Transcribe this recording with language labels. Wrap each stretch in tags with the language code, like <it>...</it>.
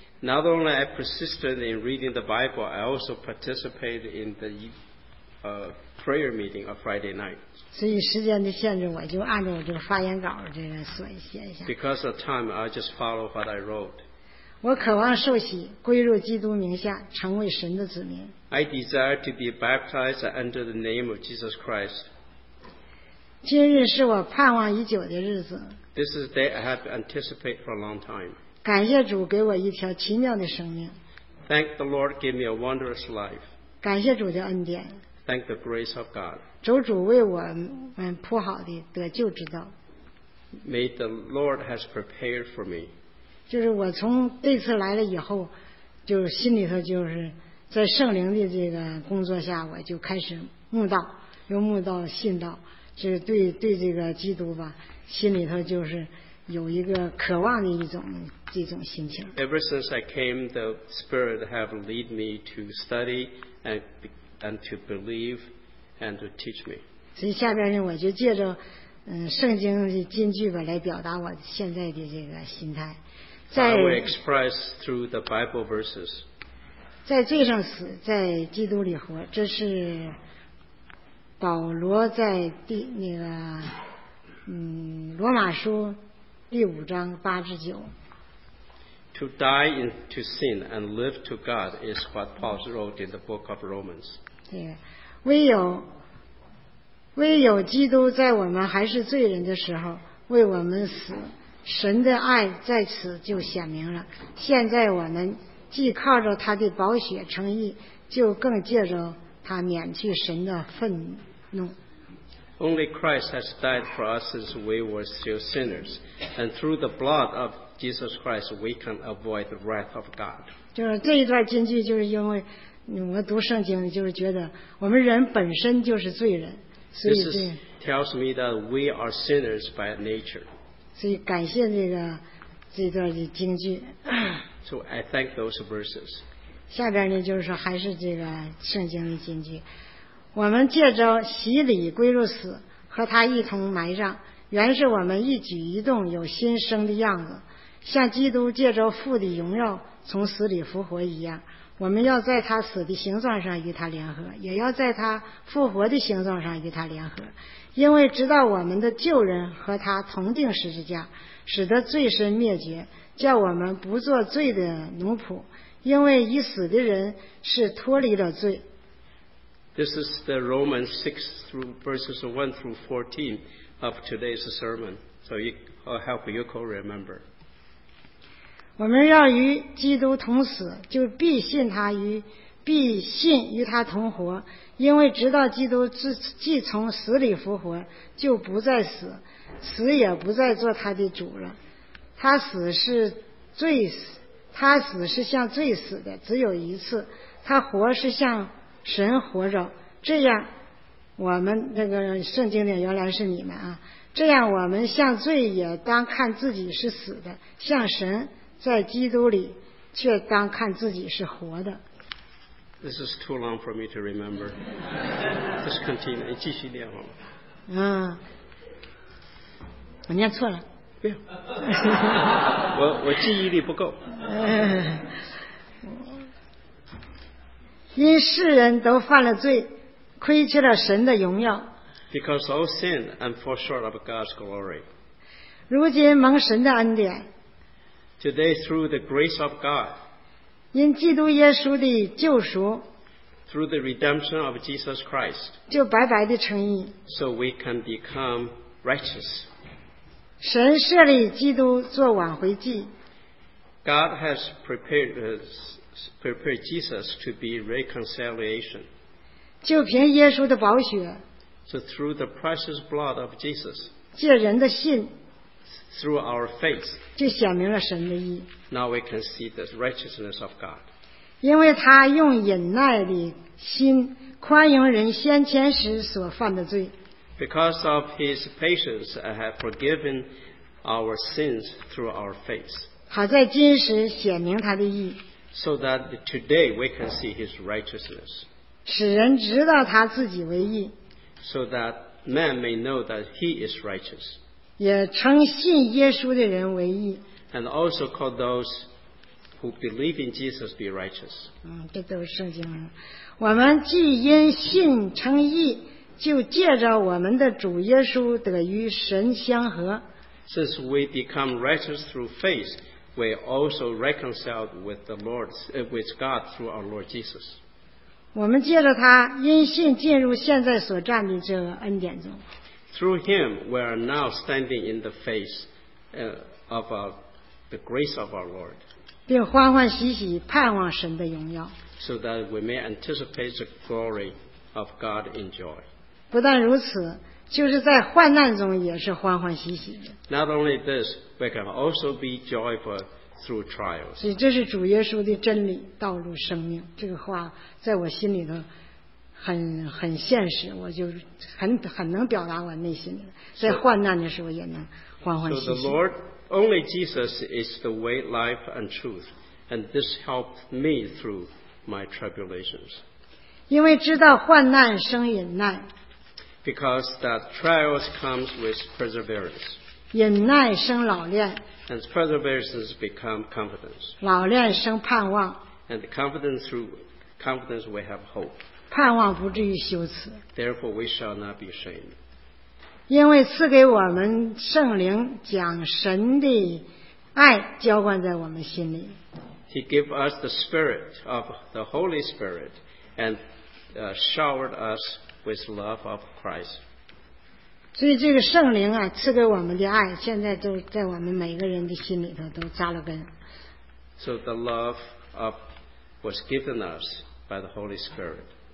<en>Not only I persisted in reading the Bible, I also participated in the prayer meeting on Friday night.</en> <zh>所以时间的限制，我就按照我这个发言稿这个写一下。</zh> <en>Because of time, I just follow what I wrote.</en> <zh>我渴望受洗，归入基督名下，成为神的子民。</zh> <en>I desire to be baptized under the name of Jesus Christ.</en> <zh>今日是我盼望已久的日子。</zh> <en>This is the day I have anticipated for a long time.</en> <zh>感谢主给我一条奇妙的生命。</zh> <en>Thank the Lord gave me a wondrous life.</en> <zh>感谢主的恩典。</zh> <en>Thank the grace of God.</en> <zh>主为我们铺好的得救之道。</zh> <en>May the Lord has prepared for me.</en> <zh>就是我从这次来了以后，就心里头就是在圣灵的这个工作下，我就开始慕道，又慕道信道，就是对这个基督吧，心里头就是有一个渴望的这种心情。</zh> <en>Ever since I came, the Spirit have lead me to study and to believe and to teach me.</en> <zh>所以下边呢，我就借着圣经的金句吧，来表达我现在的这个心态。</zh> <en>I will express through the Bible verses.</en> <zh>在罪上死，在基督里活，这是保罗在罗马书第五章八至九。</zh> <en>To die into sin and live to God is what Paul wrote in the book of Romans.</en> <zh>对，唯有基督在我们还是罪人的时候为我们死。神的爱在此就显明了。现在我们既靠着他的宝血称义，就更借着他免去神的愤怒。</zh> <en>Only Christ has died for us since we were still sinners, and through the blood of Jesus Christ, we can avoid the wrath of God.</en> <zh>就是这一段经句，就是因为我们读圣经，就是觉得我们人本身就是罪人。</zh> <en>This is, tells me that we are sinners by nature.</en> <zh>所以感谢这个这段的经句。</zh> <en>So I thank those verses.</en> <zh>下边呢就是说还是这个圣经的经句。我们借着洗礼归入死，和他一同埋葬，原是我们一举一动有新生的样子，像基督借着父的荣耀从死里复活一样，我们要在他死的形状上与他联合，也要在他复活的形状上与他联合。因为直到我们的旧人和他同定十字架，使得罪身灭绝，叫我们不做罪的奴仆，因为已死的人是脱离了罪。</zh> <en>This is the Romans 6 through verses 1 through 14 of today's sermon. So I'll help you co-remember.</en> <zh>我们要与基督同死，就必信他与必信与他同活，因为直到基督既从死里复活，就不再死，死也不再做他的主了。他死是罪死，他死是像罪死的，只有一次；他活是像神活着。这样，我们那个圣经里原来是你们啊。这样，我们像罪也当看自己是死的，像神在基督里却当看自己是活的。</zh> <en>This is too long for me to remember. Just continue.</en> <zh>你继续念好吗？我念错了。不要。我记忆力不够。因世人都犯了罪，亏缺了神的荣耀。</zh> <en>Because all sin and fall short of God's glory.</en> <zh>如今蒙神的恩典。</zh> <en>Today through the grace of God. Through the redemption of Jesus Christ.</en> <zh>就白白的称义。</zh> <en>So we can become righteous.</en> <zh>神设立基督做挽回祭。</zh> <en>God has prepared Jesus to be reconciliation.</en> <zh>就凭耶稣的宝血。</zh> <en>So through the precious blood of Jesus.</en> <zh>借人的信。</zh> <en>Through our faith.</en> <zh>就显明了神的义。</zh> <en>Now we can see the righteousness of God.</en> <zh>因为他用忍耐的心宽容人先前时所犯的罪。</zh> <en>Because of his patience, I have forgiven our sins through our faith.</en> <zh>好在今时显明他的义。</zh> <en>So that today we can see his righteousness.</en> <zh>使人知道他自己为义。</zh> <en>So that man may know that he is righteous.</en> <zh>也称信耶稣的人为义。</zh> <en>And also call those who believe in Jesus be righteous.</en> <zh>这都是圣经。我们既因信称义，就借着我们的主耶稣得与神相合。</zh> <en>Since we become righteous through faith, we also reconciled with the Lord, with God through our Lord Jesus.</en> <zh>我们借着他因信进入现在所站的这个恩典中。</zh> <en>Through him, we are now standing in the face of the grace of our Lord.</en> <zh>并欢欢喜喜盼望神的荣耀。</zh> <en>So that we may anticipate the glory of God in joy.</en> <zh>不但如此，就是在患难中也是欢欢喜喜的。</zh> <en>Not only this, we can also be joyful through trials.</en> <zh>所以这是主耶稣的真理、道路、生命。这个话在我心里头很现实，我就很能表达我内心的。在患难的时候也能欢欢喜喜。</zh> <en>So the Lord, only Jesus is the way, life, and truth, and this helped me through my tribulations.</en> <zh>因为知道患难生忍耐。</zh> <en>Because that trials comes with perseverance.</en> <zh>忍耐生老练。</zh> <en>And perseverance become confidence.</en> <zh>老练生盼望。</zh> <en>And confidence through confidence we have hope.</en> <zh>盼望不至于羞耻。</zh> <en>Therefore we shall not be ashamed.</en> <zh>因为赐给我们圣灵将神的爱浇灌在我们心里。</zh> <en>He gave us the spirit of the Holy Spirit and showered us with love of Christ.</en> <zh>所以这个圣灵啊，赐给我们的爱，现在都在我们每个人的心里头都扎了根。</zh> <en>So the love of was given us by the Holy Spirit.</en>